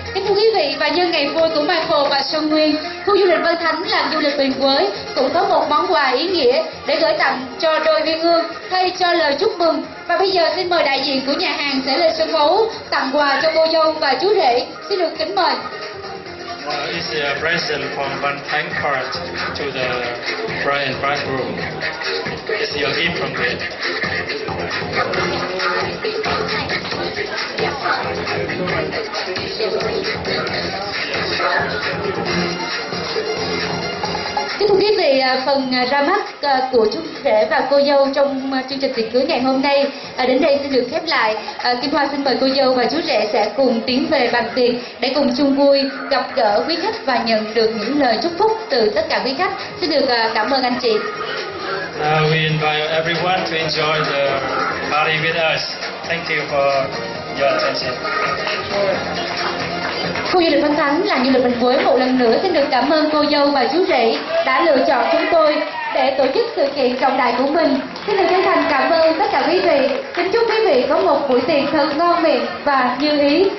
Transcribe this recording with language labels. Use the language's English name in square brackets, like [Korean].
[Vietnamese] Kính thưa quý vị, và nhân ngày vui của Michael và Xuân Nguyên, khu du lịch Vân Thánh làm du lịch miền quê cũng có một món quà ý nghĩa để gửi tặng cho đôi viên hương thay cho lời chúc mừng. Và bây giờ xin mời đại diện của nhà hàng sẽ lên sân khấu tặng quà cho cô dâu và chú rể. Xin được kính mời. [English] Well, it's a present from Vân Thánh Court to the bride and bridegroom. It's your gift from them. [Vietnamese] Kính thưa quý vị, phần ra mắt của chú rể và cô dâu trong chương trình tiệc cưới ngày hôm nay đến đây xin được khép lại. Kim Hoa xin mời cô dâu và chú rể sẽ cùng tiến về bàn tiệc để cùng chung vui, gặp gỡ quý khách và nhận được những lời chúc phúc từ tất cả quý khách. Xin được cảm ơn anh chị. [English] We invite everyone to enjoy the party with us. Thank you for your attention. [Vietnamese] Khu du lịch Văn Thắng là du lịch Bình Quế, một lần nữa xin được cảm ơn cô dâu và chú rể đã lựa chọn chúng tôi để tổ chức sự kiện trọng đại của mình. Xin được chân thành cảm ơn tất cả quý vị. Kính chúc quý vị có một buổi tiệc thật ngon miệng và như ý.